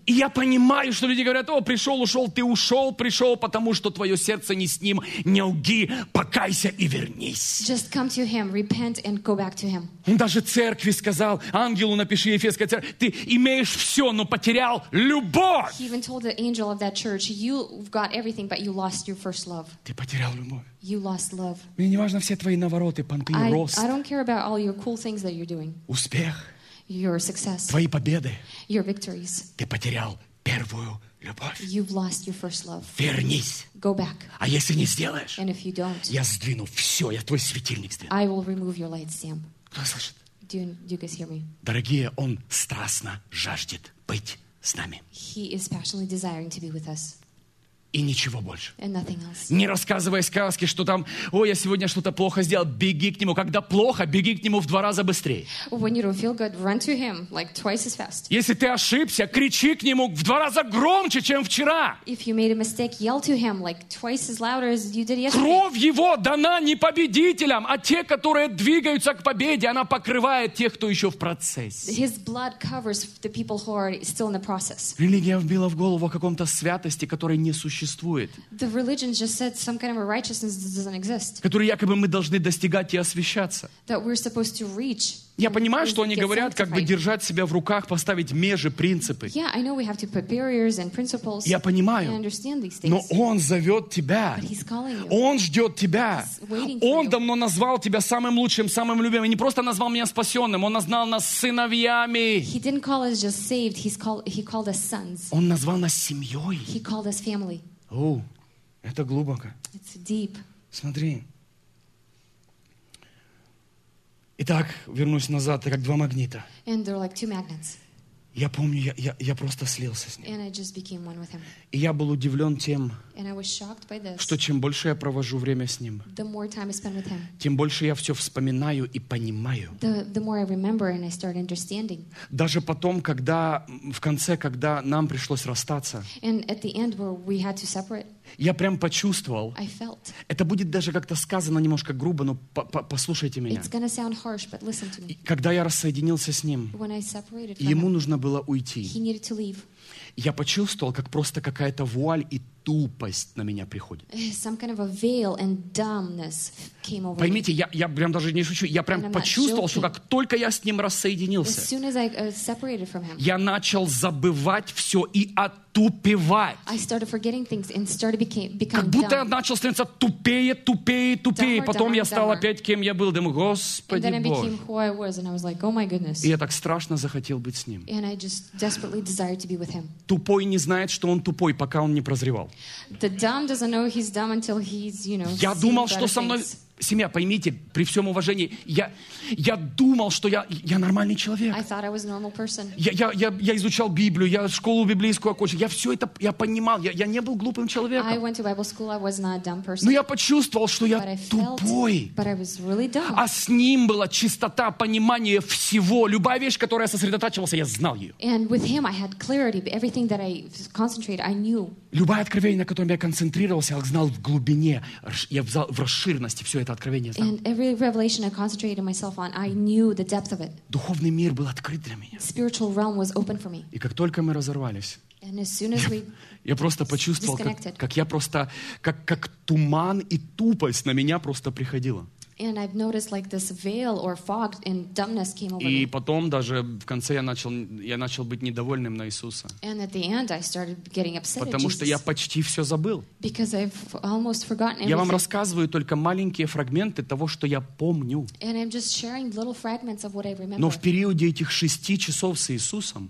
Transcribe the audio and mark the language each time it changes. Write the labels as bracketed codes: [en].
[ru] И я понимаю, что люди говорят, о, пришел, ушел, ты ушел, пришел, потому что твое сердце не с ним, не лги, покайся и вернись. [en] Just come to him, repent and go back to him. [ru] Он даже церкви сказал, ангелу напиши Ефесской церкви, ты имеешь все, но потерял любовь. [en] He even told the angel of that church, you've got everything, but you lost your first love. [ru] Ты потерял любовь. [en] You lost love. [ru] Мне не важно все твои навороты, понты, рост. [en] I don't care about all your cool things that you're doing. [ru] Успех. [en] Your success. [ru] Твои победы. [en] Your victories. [ru] Ты потерял первую любовь. [en] You've lost your first love. [ru] Вернись. [en] Go back. [ru] А если не сделаешь? [en] And if you don't, [ru] я сдвину все, я твой светильник сдвину. [en] I will remove your light stamp. [ru] Кто слышит? [en] Do you guys hear me? [ru] Дорогие, он страстно жаждет быть с нами. [en] He is passionately desiring to be with us. [ru] И ничего больше. [en] And nothing else. [ru] Не рассказывай сказки, что там, ой, я сегодня что-то плохо сделал, беги к нему. Когда плохо, беги к нему в два раза быстрее. [en] When you don't feel good, run to him, like twice as fast. [ru] Если ты ошибся, кричи к нему в два раза громче, чем вчера. [en] If you made a mistake, yell to him, like twice as louder as you did yesterday. [ru] Кровь его дана не победителям, а те, которые двигаются к победе, она покрывает тех, кто еще в процессе. [en] His blood covers the people who are still in the process. [ru] Религия вбила в голову о каком-то святости, которой не существует. [en] The religion just said some kind of a righteousness that doesn't exist. [ru] Которую якобы мы должны достигать и освящаться. [en] That we're supposed to reach. [ru] Я понимаю, что они говорят, как бы держать себя в руках, поставить межи, принципы. [en] Yeah, I know we have to put barriers and principles. [ru] Я понимаю. [en] I understand these things. [ru] Но он зовет тебя. [en] But he's calling you. [ru] Он ждет тебя. [en] He's waiting for you. [ru] Он давно назвал тебя самым лучшим, самым любимым. И не просто назвал меня спасенным. Он назвал нас сыновьями. [en] He didn't call us just saved. He called us sons. [ru] Он назвал нас семьей. [en] He called us family. [ru] О, это глубоко. [en] It's deep. [ru] Смотри. Итак, вернусь назад, это как два магнита. [en] And they're like two magnets. [ru] Я помню, я просто слился с ним. [en] And I just became one with him. [ru] И я был удивлен тем, [en] And I was shocked by this. [ru] Что чем больше я провожу время с ним, [en] the more time I spend with him, [ru] тем больше я все вспоминаю и понимаю. [en] The more I remember and I start understanding. [ru] Даже потом, когда в конце, когда нам пришлось расстаться, [en] And at the end where we had to separate, [ru] я прям почувствовал. [en] I felt. [ru] Это будет даже как-то сказано немножко грубо, но послушайте меня. [en] It's gonna sound harsh, but listen to me. [ru] Когда я рассоединился с ним, [en] When I separated [ru] ему нужно было уйти. [en] He needed to leave. [ru] Я почувствовал, как просто какая-то вуаль и тупость на меня приходит. [en] Some kind of a veil and dumbness came over. [ru] Поймите, я прям даже не шучу, я прям почувствовал, что как только я с ним рассоединился, [en] as soon as I separated from him, [ru] я начал забывать все и отупевать. [en] I started forgetting things and started becoming dumb. [ru] Как будто я начал становиться тупее, тупее, тупее. Dumber, потом dumber, я стал dumber. Опять кем я был, думаю, Господи [en] and then [ru] Боже. [en] I became who I was, and I was like, oh my goodness. [ru] И я так страшно захотел быть с ним. [en] And I just desperately desired to be with him. [ru] Тупой не знает, что он тупой, пока он не прозревал. [en] The dumb doesn't know he's dumb until he's, you know, [ru] я думал, что со мной... Семья, поймите, при всем уважении, я думал, что я нормальный человек. [en] I thought I was a normal person. [ru] Я изучал Библию, я школу библейскую окончил. Я все это, я понимал, я не был глупым человеком. [en] I went to Bible school, I was not a dumb person. [ru] Но я почувствовал, что я тупой. [en] But I was really dumb. [ru] А с ним была чистота, понимание всего. Любая вещь, которую я сосредотачивался, я знал ее. [en] And with him I had clarity, but everything that I concentrated, I knew. [ru] Любое откровение, на котором я концентрировался, я знал в глубине, я в расширенности все это откровение знал. [en] And every revelation I concentrated myself on, I knew the depth of it. [ru] Духовный мир был открыт для меня. [en] Spiritual realm was open for me. [ru] И как только мы разорвались, [en] and as soon as we [ru] я просто почувствовал, disconnected, как я просто, как туман и тупость на меня просто приходила. [en] And I've noticed like this veil or fog and dumbness came over me. [ru] И потом даже в конце я начал быть недовольным на Иисуса. [en] And at the end I started getting upset at Jesus. [ru] Потому что я почти все забыл. [en] Because I've almost forgotten everything. [ru] Я вам рассказываю только маленькие фрагменты того, что я помню. [en] And I'm just sharing little fragments of what I remember. [ru] Но в периоде этих 6 часов с Иисусом,